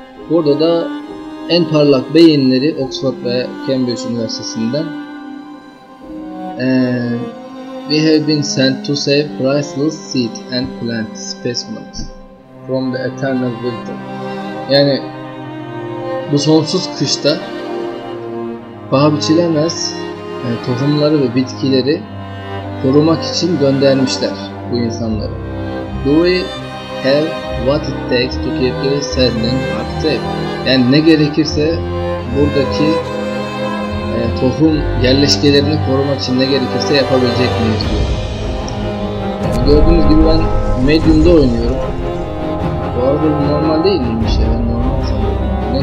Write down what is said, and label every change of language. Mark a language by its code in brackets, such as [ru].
[tr] Burada da en parlak beyinleri Oxford ve Cambridge Üniversitesi'nden [en] We have been sent to save priceless seed and plant specimens from the eternal winter. [tr] Yani bu sonsuz kışta bağ biçilemez tohumları ve bitkileri korumak için göndermişler bu insanları. [en] Do we have what it takes to keep the sending active? [tr] Yani ne gerekirse buradaki tohum yerleşkelerini korumak için ne gerekirse yapabilecek miyiz diyor. Yani gördüğünüz gibi ben medium'da oynuyorum. Bu arada normal değil miymiş ya, ben normal sanıyorum.